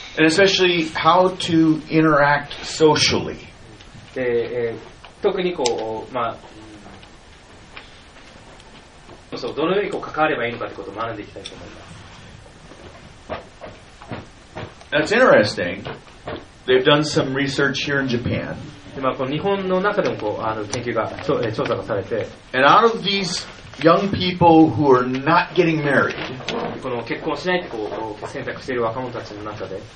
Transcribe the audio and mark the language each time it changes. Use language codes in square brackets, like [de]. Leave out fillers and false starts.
[en] And especially how to interact socially. [ja] で、特にこう、まあ、そう、どのようにこう関わればいいのかってことを学んでいきたいと思います。 [en] That's interesting. They've done some research here in Japan. [ja] で、まあ、この日本の中でもこう研究が調査がされて。 [en] And out of theseYoung people who are not getting married. [ja] この結婚しないってこう選択している若者たちの中で、